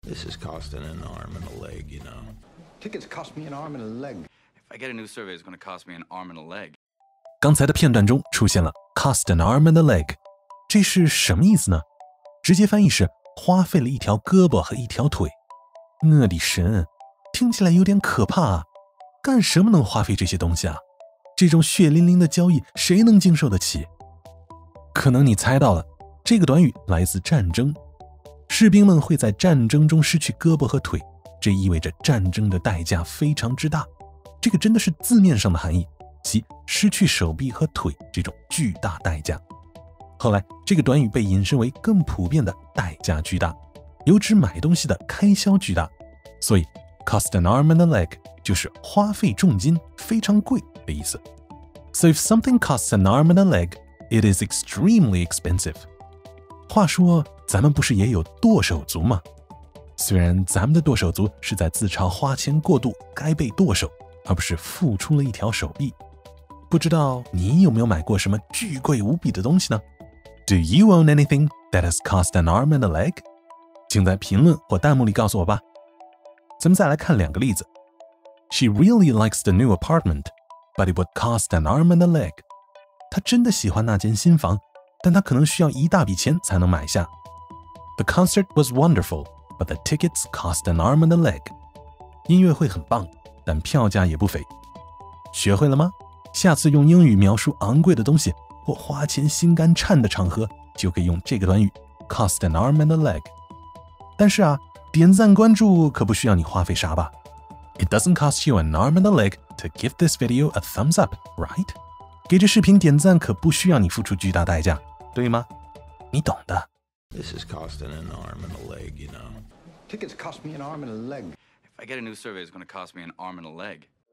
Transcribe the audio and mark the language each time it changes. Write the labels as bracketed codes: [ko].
[en] This is costing an arm and a leg, you know. Tickets cost me an arm and a leg. If I get a new survey, it's going to cost me an arm and a leg. [zh] 刚才的片段中出现了 [en] cost an arm and a leg， [zh] 这是什么意思呢？直接翻译是花费了一条胳膊和一条腿。我的神，听起来有点可怕啊！干什么能花费这些东西啊？这种血淋淋的交易，谁能经受得起？可能你猜到了，这个短语来自战争。士兵们会在战争中失去胳膊和腿，这意味着战争的代价非常之大。这个真的是字面上的含义，即失去手臂和腿这种巨大代价。后来，这个短语被引申为更普遍的代价巨大，有指买东西的开销巨大。所以 [en] cost an arm and a leg [zh] 就是花费重金，非常贵的意思。 [en] So if something costs an arm and a leg, it is extremely expensive. [zh] 话说咱们不是也有剁手族吗？虽然咱们的剁手族是在自嘲花钱过度该被剁手，而不是付出了一条手臂。不知道你有没有买过什么巨贵无比的东西呢？ [en] Do you own anything that has cost an arm and a leg? [zh] 请在评论或弹幕里告诉我吧。咱们再来看两个例子。 [en] She really likes the new apartment, but it would cost an arm and a leg. [zh] 她真的喜欢那间新房，但她可能需要一大笔钱才能买下。 [en] The concert was wonderful, but the tickets cost an arm and a leg. [zh] 音乐会很棒，但票价也不菲。学会了吗？下次用英语描述昂贵的东西或花钱心肝颤的场合，就可以用这个短语 [en] cost an arm and a leg。 [zh] 但是啊，点赞关注可不需要你花费啥吧？ [en] It doesn't cost you an arm and a leg to give this video a thumbs up, right? [zh] 给这视频点赞可不需要你付出巨大代价，对吗？你懂的。 [en] This is costing an arm and a leg, you know. Tickets cost me an arm and a leg. If I get a new survey, it's going to cost me an arm and a leg.